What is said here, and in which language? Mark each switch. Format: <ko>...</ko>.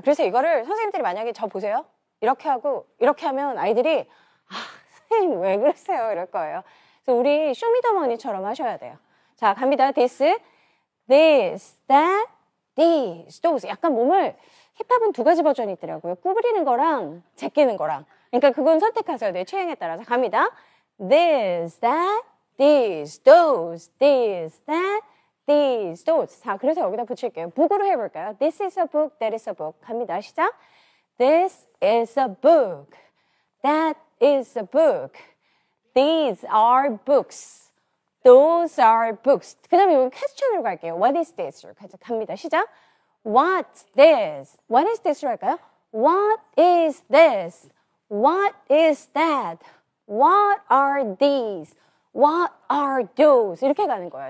<ko>그래서 이거를 선생님들이 만약에 저 보세요. 이렇게 하고 이렇게 하면 아이들이 아, 선생님 왜 그러세요? 이럴 거예요. 그래서 우리 쇼미더머니처럼 하셔야 돼요. 자, 갑니다.</ko> <en>this, this, that, these, those.</en> <ko>약간 몸을 힙합은 두 가지 버전이 있더라고요. 구부리는 거랑 제끼는 거랑. 그러니까 그건 선택하세요. 내 취향에 따라서. 갑니다.</ko> <en>this, that, these, those, this, that, these, those.</en> <ko>자, 그래서 여기다 붙일게요. 북으로 해볼까요?</ko> <en>this is a book, that is a book.</en> <ko>갑니다. 시작.</ko> <en>this is a book, that is a book. these are books, those are books.</en> <ko>그 다음에 여기 퀘스천으로 갈게요.</ko> <en>what is this?</en> <ko>이렇게 갑니다. 시작.</ko> <en>What's this? What is this?</en> <ko>할까요?</ko> <en>What is this? What is that? What are these? What are those?</en> <ko>이렇게 가는 거예요.</ko>